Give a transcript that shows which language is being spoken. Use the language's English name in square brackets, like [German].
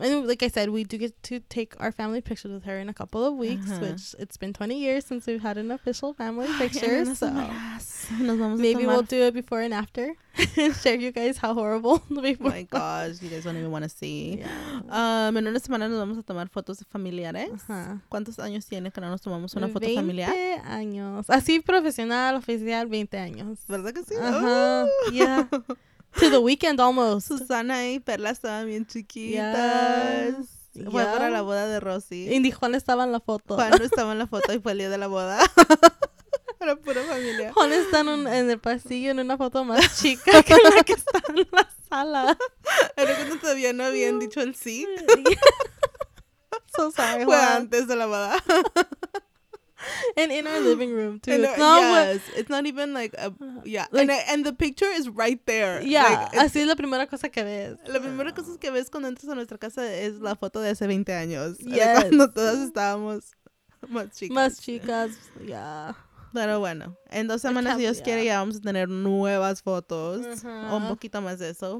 [English] And like I said, we do get to take our family pictures with her in a couple of weeks, uh-huh. Which it's been 20 years since we've had an official family picture. So maybe we'll do a before and after and share you guys how horrible the before. My gosh, you guys don't even want to see. Yeah. [Spanish] En una semana nos vamos a tomar fotos familiares. Uh-huh. ¿Cuántos años tiene que no nos tomamos una foto familiar? 20 años. Así profesional, oficial, 20 años. ¿Verdad que sí? [English] Uh-huh. Yeah. To the weekend almost. [Spanish] Susana y Perla estaban bien chiquitas. Yes. Fue para la boda de Rosy. Y ni Juan estaba en la foto. Juan no estaba en la foto y fue el día de la boda. Era pura familia. Juan está en el pasillo en una foto más chica que la que está en la sala. Era cuando todavía no habían dicho el sí. [English] So sorry, [Spanish] fue Juan. Antes de la boda. [English] And in our living room too. It's not even like a and the picture is right there. Yeah, like, [Spanish] así es la primera cosa que ves. La primera cosa que ves cuando entras a nuestra casa es la foto de hace 20 años. Yes. Cuando todas estábamos más chicas. Más chicas, yeah. Pero bueno, en dos semanas, si Dios quiere, ya vamos a tener nuevas fotos. Uh-huh. O un poquito más de eso.